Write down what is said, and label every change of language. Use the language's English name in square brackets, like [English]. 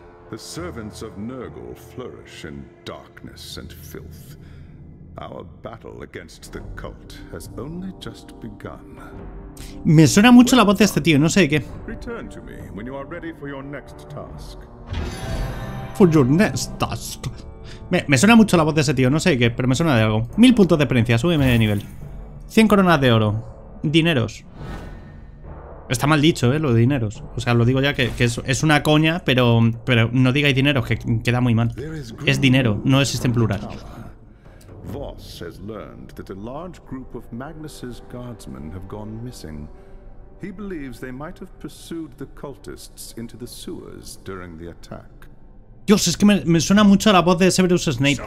[English] The servants of Nurgle flourish in darkness and filth. Our battle against the cult has only just begun. [Spanish] Me suena mucho la voz de este tío, no sé de qué. [English] Return to me when you are ready for your next task. For your next task. [Spanish] Me suena mucho la voz de ese tío, no sé de qué, pero me suena de algo. 1000 puntos de experiencia, súbeme de nivel. 100 coronas de oro. Dineros. Está mal dicho, lo de dineros. O sea, lo digo ya que es una coña, pero no digáis dinero, que queda muy mal. Es dinero, no existe en plural. [English] Voss has learned that a large group of Magnus's guardsmen have gone missing. He believes they might have pursued the cultists into the sewers during the attack. [Spanish] Dios, es que me suena mucho a la voz de Severus Snape.